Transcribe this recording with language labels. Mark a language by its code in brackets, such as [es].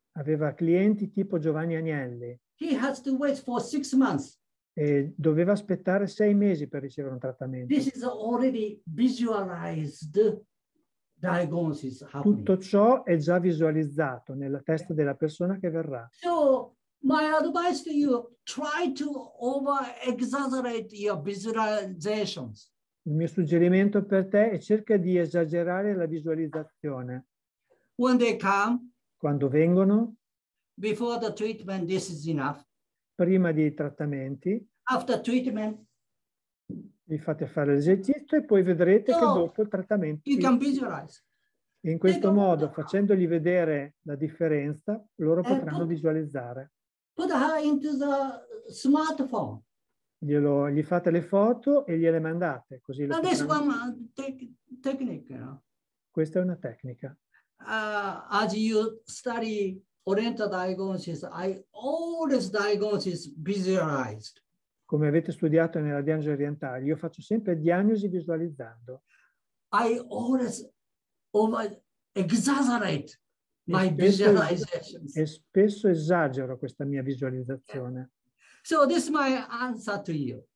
[it] Aveva clienti tipo Giovanni Agnelli. [en] He has to wait for 6 months. [it] E doveva aspettare 6 mesi per ricevere un trattamento. [en] This is already visualized diagnosis happening. [it] Tutto ciò è già visualizzato nella testa della persona che verrà. [en] So, my advice to you, try to over-exaggerate your visualizations. [it] Il mio suggerimento per te è cerca di esagerare la visualizzazione. [en] When they come, [it] quando vengono, [en] before the treatment, this is enough. [it] Prima dei trattamenti, [en] after treatment, [it] vi fate fare l'esercizio e poi vedrete che dopo il trattamento. [en] You can visualize. [it] In questo modo, facendogli vedere la differenza, loro potranno visualizzare. [en] Put her into the smartphone. [it] Gli fate le foto e gliele mandate. Così lo [en] this one technique, no? [it] Questa è una tecnica. [en] As you study oriental diagnosis, I always diagnosis visualized. [it] Come avete studiato nella diagnosi orientale, io faccio sempre diagnosi visualizzando. [en] I always over-exaggerate. My visualizations. [it] E spesso esagero questa mia visualizzazione. [en] So this is my answer to you.